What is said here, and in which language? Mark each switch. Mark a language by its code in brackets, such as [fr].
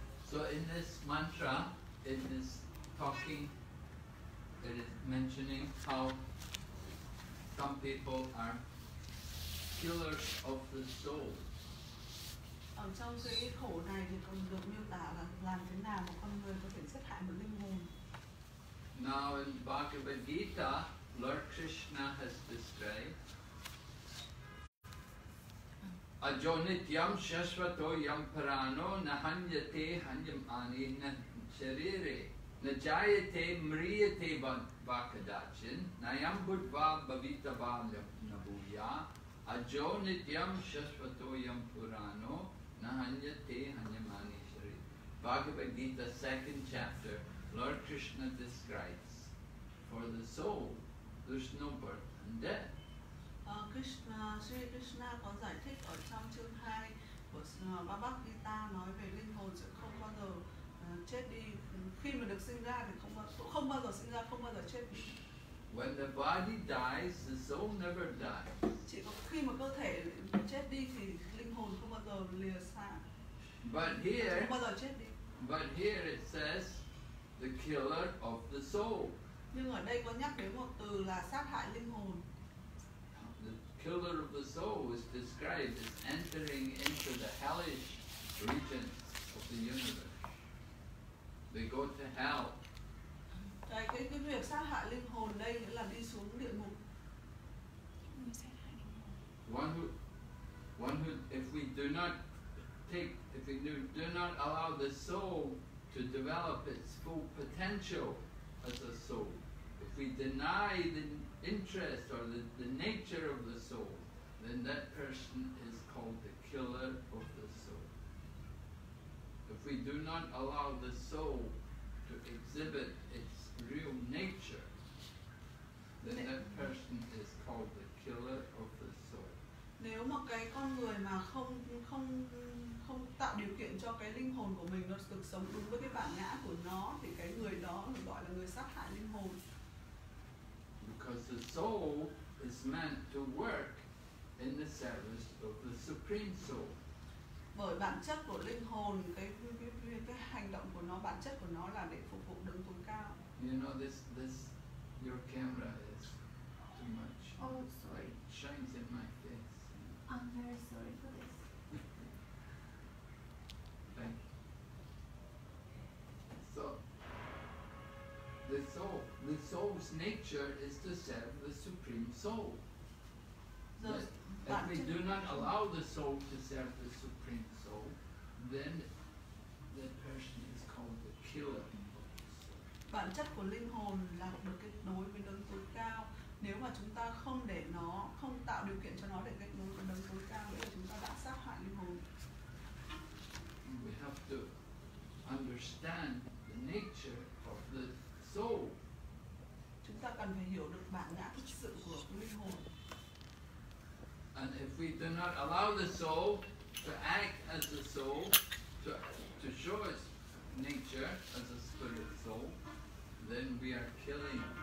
[en] So in this mantra, in this talking, it is mentioning how some people are killers of the soul. [vi] Ở trong cái khổ này thì còn được miêu tả là làm thế nào mà con người có thể giết hại một linh hồn. [en] Now in Bhagavad Gita, Lord Krishna has described [sa] Ajonityam shashvato yam parano nahanyate hanyam anena sharire najayate mriyate vakadachin nayam budva bhavitava nabuya Ajonityam shashvato yam purano nahanyate hanyam anena sharire. [en] Bhagavad Gita 2nd chapter, Lord Krishna describes for the soul there's no birth and death. [vi] Krishna có giải thích ở trong chương 2 của Bhagavad Gita nói về linh hồn sẽ không bao giờ chết đi, khi mà được sinh ra thì không bao giờ sinh ra, không bao giờ chết đi. [en] When the body dies, the soul never dies. [vi] Chỉ có khi mà cơ thể chết đi thì linh hồn không bao giờ lìa xa. [en] But here, [vi] không bao giờ chết đi. [en] But here it says the killer of the soul. [vi] Nhưng ở đây có nhắc đến một từ là sát hại linh hồn. [en] The killer of the soul is described as entering into the hellish regions of the universe. They go to hell. [vi] Cái việc sát hại linh hồn đây nghĩa là đi xuống địa ngục. [en] One who, if we do not allow the soul to develop its full potential as a soul, if we deny the interest or the nature of the soul, then that person is called the killer of the soul. If we do not allow the soul to exhibit its real nature, then that person is called the killer of the soul. [vi] Nếu mà cái con người mà không tạo điều kiện cho cái linh hồn của mình nó được sống đúng với cái bản ngã của nó thì cái người đó gọi là người sát hại linh hồn. [en] Because the soul is meant to work in the service of the supreme soul. [vi] Bởi bản chất của linh hồn, cái hành động của nó, bản chất của nó là để phục vụ đấng tối cao. [en] You know this your camera is too much. Oh, sorry. It shines in my face. I'm very sorry for this. the soul's nature is to serve the Supreme Soul. If we do not allow the soul to serve the Supreme Soul, then the person is called the killer. [vi] Bản chất của linh hồn là được kết nối với đấng tối cao. Nếu mà chúng ta không để nó, không tạo điều kiện cho nó để kết nối với đấng tối cao, thì chúng ta đã sát hại linh hồn. [en] We have to understand the nature of the soul. [vi] Chúng ta cần phải hiểu được bản ngã thực sự của linh hồn. [en] And if we do not allow the soul to act as a soul, to show its nature as a spirit soul, then we are killing.